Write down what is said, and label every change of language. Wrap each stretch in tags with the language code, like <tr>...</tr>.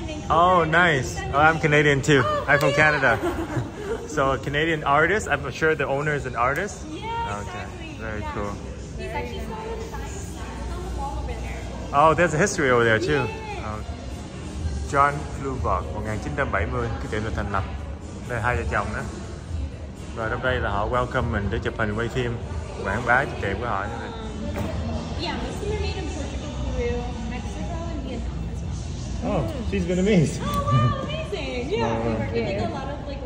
<en>Oh nice, oh, I'm Canadian too, I'm from Canada. So a Canadian artist, I'm sure the owner is an artist. Yeah, okay. Exactly. Very yeah. Cool. He's actually on the wall over there. Oh, there's a history over there too. Yeah.</en> <vi>John Fluvog, 1970, cái tiệm được thành lập. Đây hai vợ chồng đó. Và trong đây là họ welcome mình để chụp hình quay phim, quảng bá cho tiệm của họ như vậy.</vi> <en>Yeah, we see made in Portugal, Peru, Mexico, and Vietnam as well. Oh, mm. She's Vietnamese. Oh, wow, amazing. Yeah, we're getting a lot of</en>